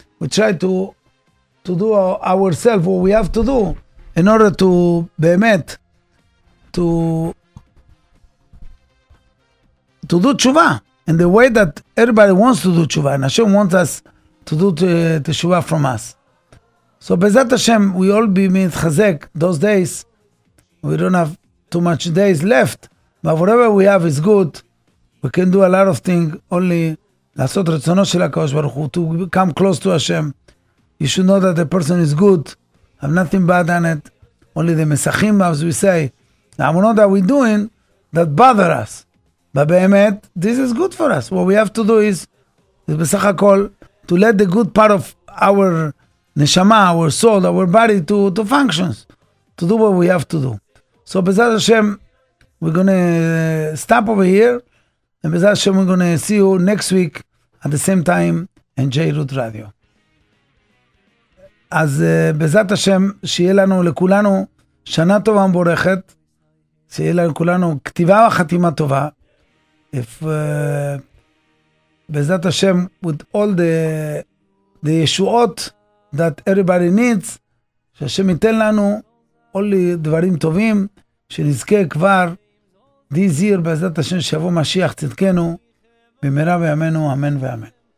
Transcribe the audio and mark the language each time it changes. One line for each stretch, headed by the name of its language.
English: We try to do ourselves what we have to do in order to be met, to do tshuva in the way that everybody wants to do tshuva. And Hashem wants us to do tshuva from us. So בעזרת השם, we all be מתחזק those days. We don't have too much days left. But whatever we have is good. We can do a lot of things only
Hebrew: לעשות רצונו של הקב"ה, ברוך הוא,
English: to come close to Hashem. You should know that the person is good. Have nothing bad on it. Only the מסכים, as we say. Now we know that we're doing that bother us. But באמת, this is good for us. What we have to do is בסך הכל, to let the good part of our neshama, our soul, our body to functions, to do what we have to do. So Bezat Hashem, we're going to stop over here, and Bezat Hashem, we're going to see you next week at the same time in J-Root Radio.
Hebrew: As Bezat Hashem, שיהיה לנו לכולנו שנה טובה מבורכת, שיהיה לנו כולנו כתיבה וחתימה טובה.
English: If Bezat Hashem, with all the Yeshuot that everybody needs,
Hebrew: שהשם ייתן לנו only דברים טובים, שנזכה כבר
English: this year
Hebrew: בעזרת השם שיבוא משיח צדקנו במהרה בימינו, אמן ואמן.